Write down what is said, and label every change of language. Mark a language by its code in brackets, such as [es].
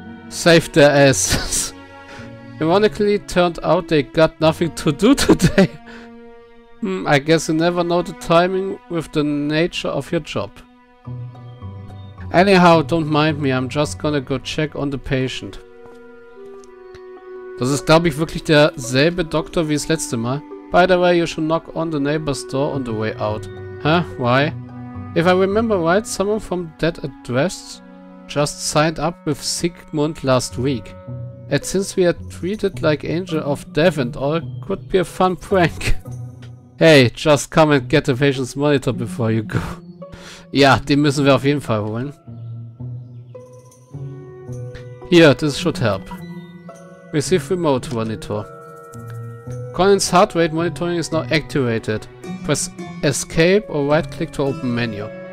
[en] Saved their asses. Ironically, turned out they got nothing to do today. I guess you never know the timing with the nature of your job. Anyhow, don't mind me, I'm just gonna go check on the patient. [de] Das ist, glaube ich, wirklich derselbe Doktor wie das letzte Mal. [en] By the way, you should knock on the neighbor's door on the way out. Huh? Why? If I remember right, someone from that address just signed up with Sigmund last week. And since we are treated like Angel of Death and all, could be a fun prank. Hey, just come and get the patient's monitor before you go. [de] Ja, den müssen wir auf jeden Fall holen. [en] Here, this should help. Receive remote monitor. Colin's heart rate monitoring is now activated. Press escape or right click to open menu.